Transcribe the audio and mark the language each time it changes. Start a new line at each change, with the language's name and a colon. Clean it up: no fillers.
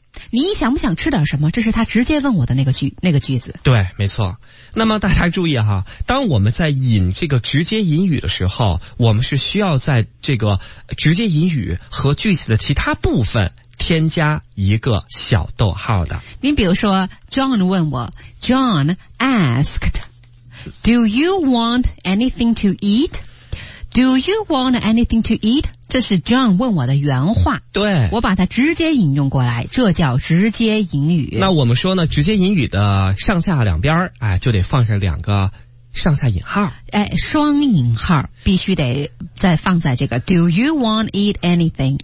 Chinese: 你想不想吃点什么？这是他直接问我的那个句子。对，没错。那么大家注意哈，当我们在引这个直接引语的时候，我们是需要在这个直接引语和句子的其他部分添加一个小逗号的。你比如说
English: ，John
Chinese: 问我
English: ，John asked, "Do you want anything to eat?" Do you want anything to eat?
Chinese: 这是 John 问我的原话，对，我把它直接引用过来，这叫直接引语。那我们说呢，直接引语的上下两边，哎，就得放上两个上下引号，哎，双引号必须得再放在这个
English: Do you want eat anything?